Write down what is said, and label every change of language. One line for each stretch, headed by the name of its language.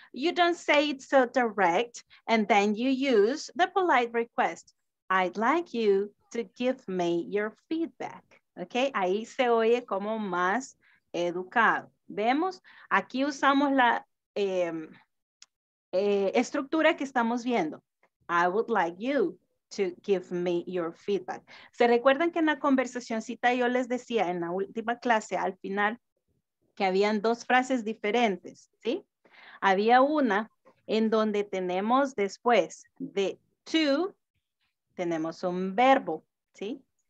English: You don't say it so direct, and then you use the polite request. I'd like you to give me your feedback.
Spanish: Okay, ahí se oye como más educado. Vemos, aquí usamos la estructura que estamos viendo.
English: I would like you to give me your feedback.
Spanish: ¿Se recuerdan que en la conversacioncita yo les decía en la última clase al final que habían dos frases diferentes, ¿sí? Había una en donde tenemos después de to, tenemos un verbo, ¿sí?